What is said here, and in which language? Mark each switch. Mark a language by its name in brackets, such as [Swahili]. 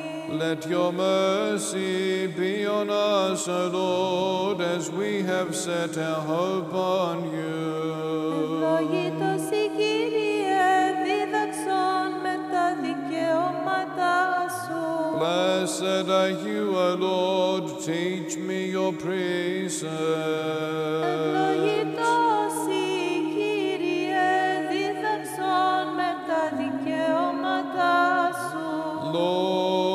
[English] Let your mercy be on us, O Lord, as we have set our hope on you. [Greek] Ευλογητός η Κύριε, δίδαξον με τα δικαιώματά σου. [English] Blessed are you, O Lord, teach me your precepts. [Greek] Ευλογητός η Κύριε, δίδαξον με τα δικαιώματά σου.